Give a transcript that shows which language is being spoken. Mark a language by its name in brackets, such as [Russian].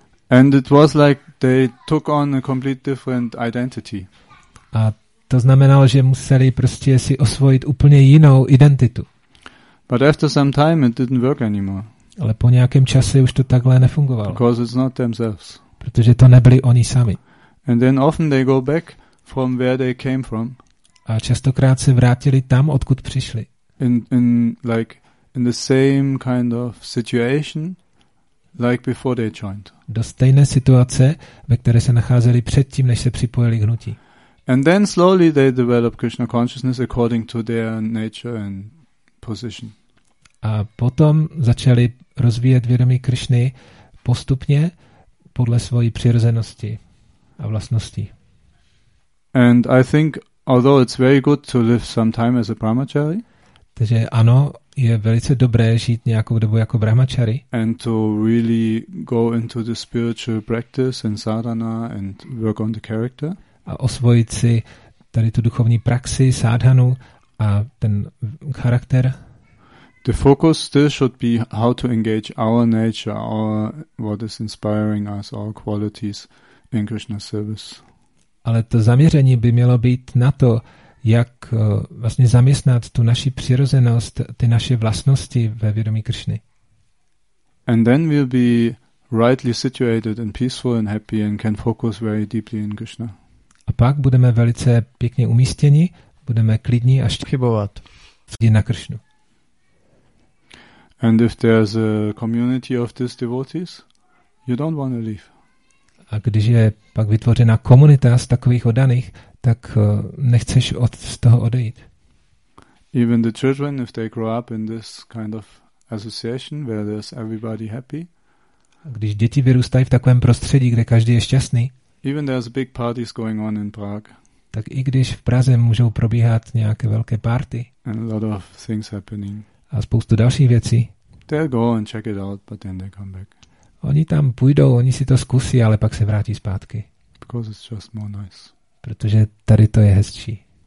[English] And it was like they took on a complete different identity. [Czech] A to znamenalo, že museli prostě si osvojit úplně jinou identitu. [English] But after some time it didn't work anymore. [Czech] Ale po nějakém čase už to takhle nefungovalo. [English] Because it's not themselves. [Czech] Protože to nebyli oni sami. [English] And then often they go back from where they came from. [Czech] A častokrát se vrátili tam, odkud přišli. [English] In the same kind of situation like before they joined. [Czech] Do stejné situace, ve které se nacházeli předtím, než se připojili k hnutí. [English] And then slowly they develop Krishna consciousness according to their nature and position. [Czech] A potom začali rozvíjet vědomí Krišny postupně podle svojí přirozenosti a vlastností. [English] And I think although it's very good to live some time as a brahmachari. [Czech] Takže ano, je velice dobré žít nějakou dobu jako brahmachari. [English] And to really go into the spiritual practice and sadhana and work on the character. [Czech] A osvojit si tady tu duchovní praxi, sadhanu a ten charakter. [English] The focus still should be how to engage our nature, our what is inspiring us, our qualities in Krishna's service. [Czech] Ale to zaměření by mělo být na to, jak vlastně zaměstnat tu naši přirozenost, ty naše vlastnosti ve vědomí Krišny. [English] And then we'll be rightly situated and peaceful and happy and can focus very deeply in Krishna. [Czech] A pak budeme velice pěkně umístěni, budeme klidní a chybovat na Krišnu. [English] And if there's a community of these devotees, you don't want to leave. [Czech] A když je pak vytvořena komunita z takových oddaných, tak nechceš od z toho odejít. [English] Even the children, if they grow up in this kind of association where there's everybody happy. [Czech] A když děti vyrůstají v takovém prostředí, kde každý je šťastný. [English] Even there's big parties going on in Prague. [Czech] Tak i když v Praze můžou probíhat nějaké velké party. [English] And a lot of things happening. [Czech] A spoustu dalších věcí. [English] They'll go and check it out, but then they come back. [Czech] Oni tam půjdou, oni si to zkusí, ale pak se vrátí zpátky. [English] Because it's just more nice. [Czech] Protože tady to je hezčí.